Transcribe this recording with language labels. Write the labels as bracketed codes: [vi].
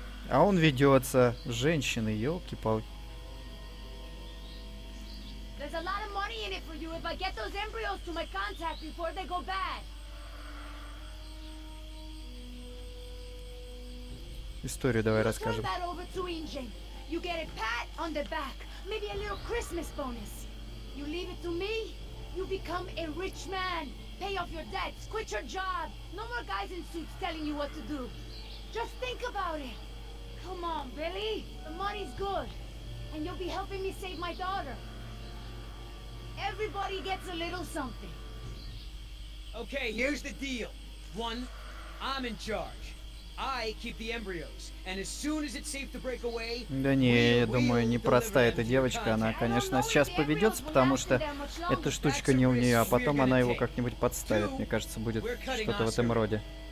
[ru] А он ведется, женщины, ёлки-палки. [en] There's a lot of money in it for you if I get those embryos to my contact before they go bad. [ru] Историю давай расскажем. [en] Turn that over to Injin. You get a pat on the back, maybe a little Christmas bonus. You leave it to me, you become a rich man. Pay off your debts, quit your job. No more guys in suits telling you what to do. Just think about it. Come on, Billy. The money's good. And you'll be helping me save my daughter. Everybody gets a little something. Okay, here's the deal. One, I'm in charge. I keep the embryos, and as soon as it's safe to break away. [ru] Да не, я думаю, непроста эта девочка. Она, конечно, сейчас поведется, потому что эта штучка не у нее, а потом она его как-нибудь подставит. Мне кажется, будет что-то в этом роде.